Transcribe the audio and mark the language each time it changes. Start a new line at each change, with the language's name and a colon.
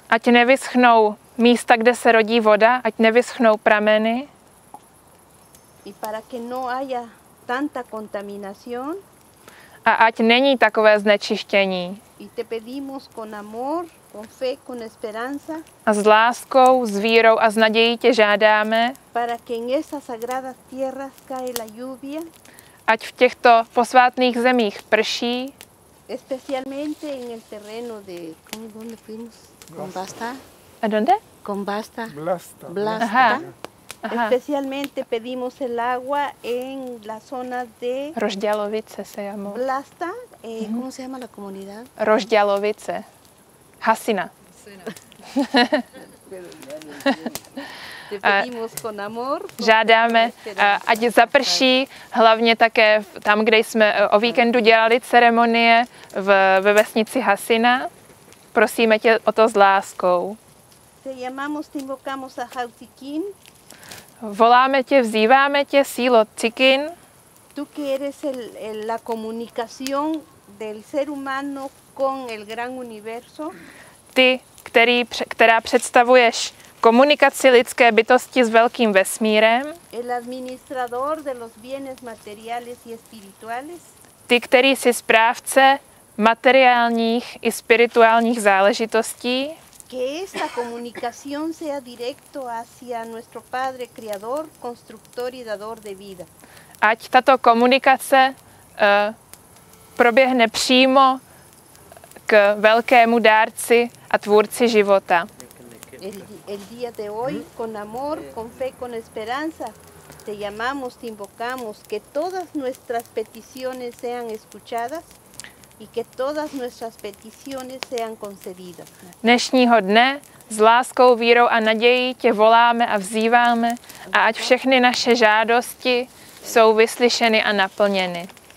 Czech: Ať nevyschnou místa, kde se rodí voda, ať nevyschnou prameny.
Spanish: Y para que no haya tanta contaminación.
Czech: A ať není takové znečištění.
Spanish: Y te pedimos con amor, con fe, con esperanza.
Czech: A s láskou, s vírou a s nadějí tě žádáme.
Spanish: Para que en esas sagradas tierras cae la lluvia.
Czech: Ať v těchto posvátných zemích prší.
Spanish: Especialmente en el terreno de ¿dónde fuimos? Combasta. A dónde? Combasta. Blasta. Blasta. Aha. Aha. Especialmente pedimos el agua en la zona de Rozdělovice se llamó. Blasta, ¿cómo se llama la comunidad? Rozdělovice. Hasina. Te pedimos con amor.
Czech: Žádáme, ať zaprší, hlavně také tam, kde jsme o víkendu dělali ceremonie ve vesnici Hasina. Prosíme tě o to s láskou.
Spanish: Te llamamos, te invocamos a Jautiquín.
Czech: Voláme tě, vzýváme tě, sílo Tikin.
Spanish: Tú que eres la comunicación del ser humano con el gran universo.
Czech: Ty, která představuješ komunikaci lidské bytosti s velkým vesmírem.
Spanish: El administrador de los bienes materiales y espirituales.
Czech: Ty, který jsi správce materiálních i spirituálních záležitostí.
Spanish: Que esta comunicación sea directo hacia nuestro Padre Creador, Constructor y Dador de Vida.
Czech: Ať tato komunikace proběhne přímo k velkému dárci a tvůrci života.
Spanish: El día de hoy, con amor, con fe, con esperanza, te llamamos, te invocamos, que todas nuestras peticiones sean escuchadas. Y que todas nuestras peticiones sean concedidas.
Czech: Dnešního dne s láskou, vírou a nadějí tě voláme a vzýváme a ať všechny naše žádosti jsou vyslyšeny a naplněny.